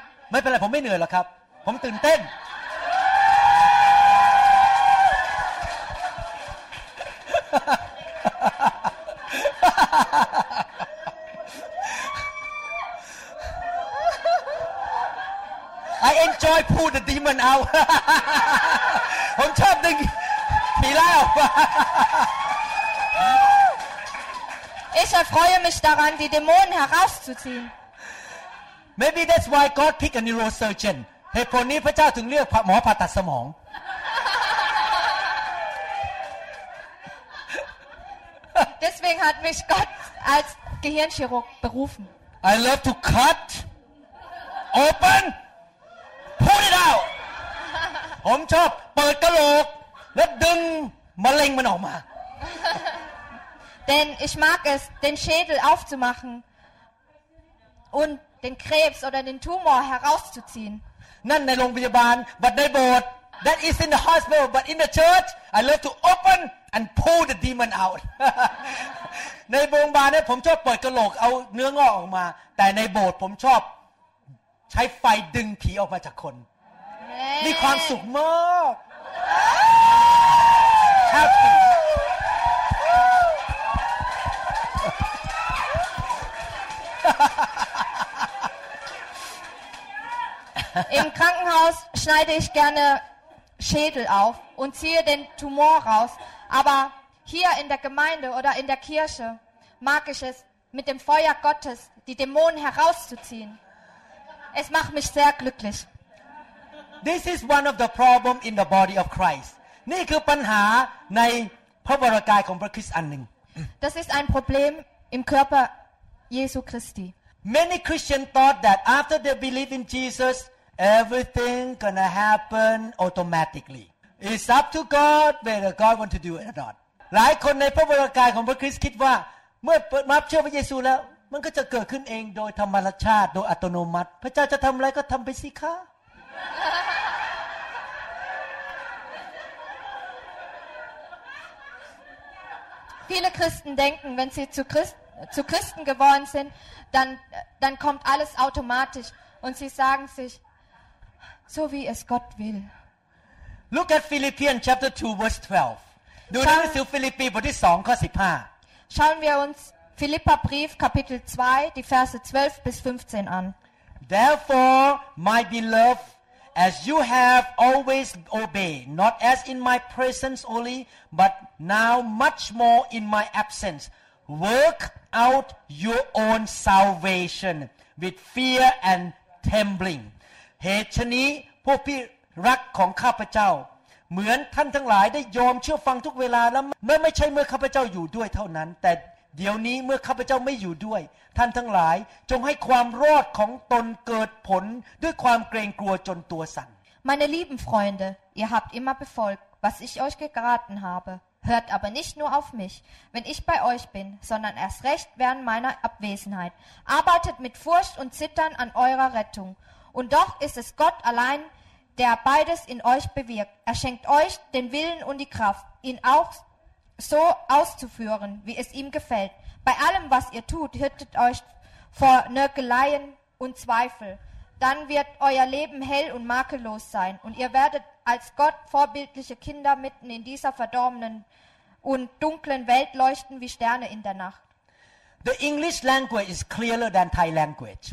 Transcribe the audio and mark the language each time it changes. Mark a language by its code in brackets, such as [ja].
[th] ไม่เป็นไรผมไม่เหนื่อยหรอกครับผมตื่นเต้น [en] I enjoy pull the demon out [th] ผมชอบดึงผีไล่ออกมา [de] Ich erfreue mich daran, die Dämonen herauszuziehen. [en] Maybe that's why God picked a neurosurgeon. [th] เหตุผลนี้พระเจ้าถึงเลือกหมอผ่าตัดสมอง [de] Deswegen hat mich Gott als Gehirnchirurg berufen. [en] I love to cut, open, pull it out. [th] ผมชอบเปิดกะโหลกและดึงมะเร็งมันออกมา [de] Denn ich mag es, den Schädel aufzumachen und den Krebs oder den Tumor herauszuziehen. [en] Nein, in the hospital, but in the boat. That is in the hospital, but in the church, I love to open and pull the demon out. In the hospital, I like to open the heart, pull the blood out. But in the boat, I like to use the fire to pull the demon out of people. This is a lot of fun. Happy. [de] Im Krankenhaus schneide ich gerne Schädel auf und ziehe den Tumor raus. Aber hier in der Gemeinde oder in der Kirche mag ich es, mit dem Feuer Gottes die Dämonen herauszuziehen. Es macht mich sehr glücklich. [en] This is one of the problem in the body of Christ. [th] นี่คือปัญหาในพระวรกายของพระคริสต์อันหนึ่ง [de] Das ist ein Problem im Körper Jesu Christi. [en] Many Christians thought that after they believe in Jesus, everything gonna happen automatically. It's up to God whether God want to do it or not. [th] หลายคนในพระวรกายของพระคริสต์คิดว่าเมื่อเปิดรับเชื่อพระเยซูแล้วมันก็จะเกิดขึ้นเองโดยธรรมชาติโดยอัตโนมัติพระเจ้าจะทำอะไรก็ทำไปสิคะ [de] Viele Christen denken, wenn sie zu Christen geworden sind,Dann kommt alles automatisch und sie sagen sich, so wie es Gott will. [en] Look at Philippians chapter 2 verse 12. Dude, this is Philippians chapter 2 verse 15. [de] Schauen wir uns Philipperbrief Kapitel 2, die Verse 12 bis 15 an. [en] Therefore, my beloved, as you have always obeyed, not as in my presence only, but now much more in my absence, work out your own salvation with fear and trembling. [th] เหตุฉะนี้พวกพี่รักของข้าพเจ้าเหมือนท่านทั้งหลายได้ยอมเชื่อฟังทุกเวลาแล้วไม่ใช่เมื่อข้าพเจ้าอยู่ด้วยเท่านั้นแต่เดี๋ยวนี้เมื่อข้าพเจ้าไม่อยู่ด้วยท่านทั้งหลายจงให้ความรอดของตนเกิดผลด้วยความเกรงกลัวจนตัวสั่น [de] Meine lieben Freunde, ihr habt immer befolgt, was ich euch geraten habe. Hört aber nicht nur auf mich, wenn ich bei euch bin, sondern erst recht während meiner Abwesenheit. Arbeitet mit Furcht und Zittern an eurer Rettung. Und doch ist es Gott allein, der beides in euch bewirkt. Er schenkt euch den Willen und die Kraft, ihn auch so auszuführen, wie es ihm gefällt. Bei allem, was ihr tut, hütet euch vor Nörgeleien und Zweifel. Dann wird euer Leben hell und makellos sein und ihr werdetAls Gott vorbildliche Kinder mitten in dieser verdorbenen und dunklen Welt leuchten wie Sterne in der Nacht. [en] The English language is clearer than Thai language.